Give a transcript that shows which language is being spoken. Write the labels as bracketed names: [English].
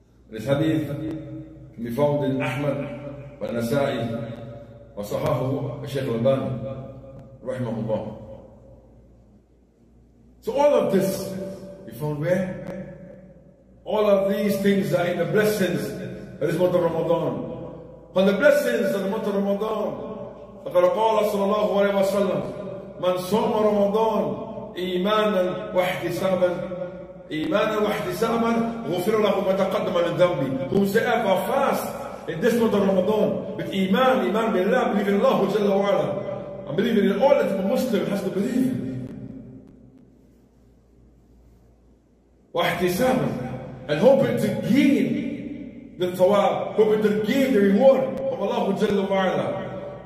[English] This hadith can be found in Ahmad and Nasa'i and Sahahu Shaykh al-Bani rahimahullah. So all of this you found where? All of these things are in the blessings of this month of Ramadan. From the blessings of the month of Ramadan, [Arabic] فَقَدْ قَالَ صَلَى اللَّهُ عَلَيْهِ وَسَلَّمْ مَنْ صَوْمَ رَمَضَانْ إِيمَانًا وَاحْتِسَابًا إِيمَانًا وَاحْتِسَابًا غُفِرَ لَهُ مَا تَقَدَّمَ مِنْ ذَنْبِ. [English] Whosoever fast in this month of Ramadan with Iman, Iman billah, believing in Allah Jalla wa Ala, and believing in all that a Muslim has to believe in. وَاحْتِسَابًا, and hoping to gain the thawab, hoping to gain the reward of Allah Jalla wa Ala.